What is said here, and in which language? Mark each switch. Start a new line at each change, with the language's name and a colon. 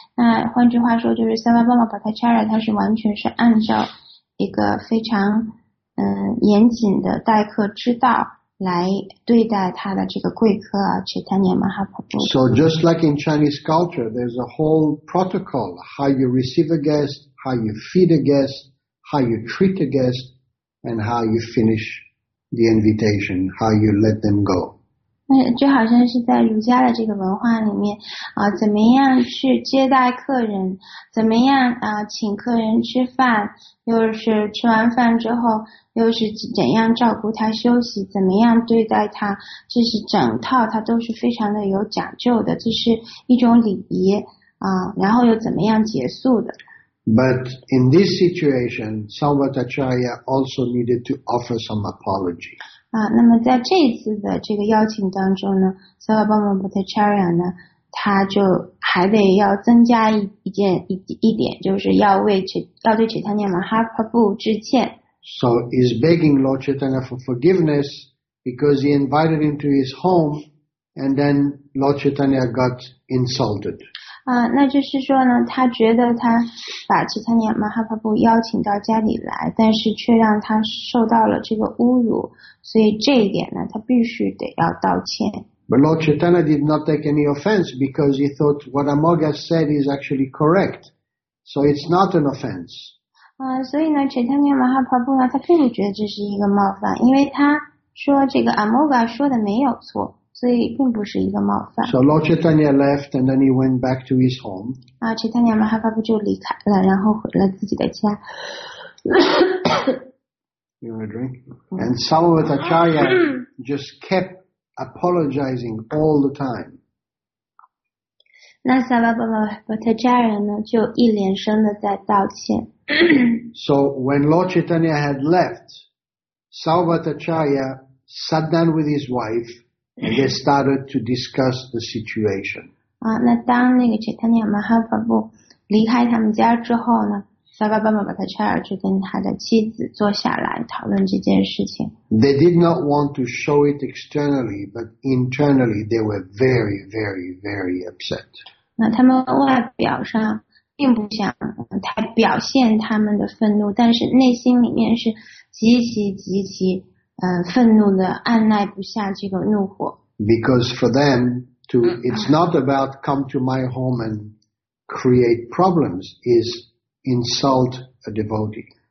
Chinese: 那换句话说，就是 Sarvabhauma Bhattacharya 他是完全是按照一个非常严谨的待客之道来对待他的这个贵客 Chaitanya Mahaprabhu。
English: So just like in Chinese culture, there's a whole protocol how you receive a guest. How you feed a guest, how you treat a guest, and how you finish the invitation, how you let them go.
Chinese: 那就好像是在儒家的这个文化里面，怎么样去接待客人，怎么样请客人吃饭，又是吃完饭之后，又是怎样照顾他休息，怎么样对待他，这是整套它都是非常的有讲究的，这是一种礼仪然后又怎么样结束的。
English: But in this situation, Sarvabhattacharya also needed to offer some apology.
Chinese: 那么在这一次的这个邀请当中呢 ，Sarvabhattacharya 呢，他就还得要增加一点，就是要对 Chaitanya Mahaprabhu 致歉。
English: So he's begging Lord Chaitanya for forgiveness because he invited him to his home, and then Lord Chaitanya got insulted.
Chinese: 那就是说呢，他觉得他把齐塔尼亚马哈帕布邀请到家里来，但是却让他受到了这个侮辱，所以这一点呢，他必须得要道歉。
English: But Lord Chaitanya did not take any offense because he thought what Amoga said is actually correct, so it's not an offense.
Chinese: 所以呢，齐塔尼亚马哈帕布呢，他并不觉得这是一个冒犯，因为他说这个 Amoga 说的没有错。所以并不是一个冒犯。
English: So Lord Chaitanya left and then he went back to his home.
Chinese: Chaitanya Mahaprabhu 就离开了，然后回了自己的家。
English: You want a drink? And Sarvabhattacharya just kept apologizing all the time.
Chinese: 那 Sarvabhattacharya 呢，就一连声的在道歉。
English: So when Lord Chaitanya had left, Sarvabhattacharya sat down with his wife. And they started to discuss the situation.
Chinese: 那当那个 Chaitanya Mahaprabhu 离开他们家之后呢 ，Sarvabhattacharya 就跟他的妻子坐下来讨论这件事情。
English: They did not want to show it externally, but internally they were very, very, very upset.
Chinese: 那他们外表上并不想太表现他们的愤怒，但是内心里面是极其极其。愤怒的按耐不下这个怒火。
English: Because for them, to it's not about come to my home and create problems, is insult a devotee.